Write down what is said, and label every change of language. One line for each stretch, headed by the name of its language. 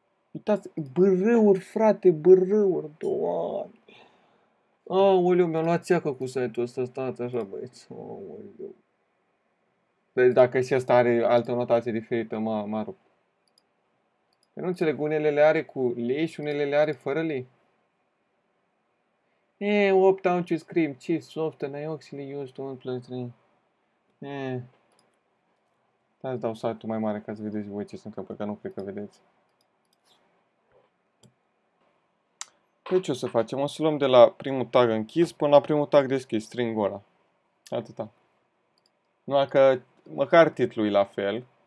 Romanian: Uitați, brâuri, frate, brâuri, doamne. Aoleu, mi-a luat țeacă cu site-ul ăsta, stați așa, băieți. Aoleu. Deci dacă și ăsta are altă notație diferită, mă rup. Eu nu înțeleg, unele le are cu li și unele le are fără li. Opt
English: ounces cream, cheese, soft, and I actually used 1 plus 3.
Romanian: Stai să dau site-ul mai mare ca să vedeți voi ce se întâmplă, că nu cred că vedeți. Păi ce o să facem? O să luăm de la primul tag închis până la primul tag deschis, string-ul ăla. Atâta. Numai că măcar titlul e la fel.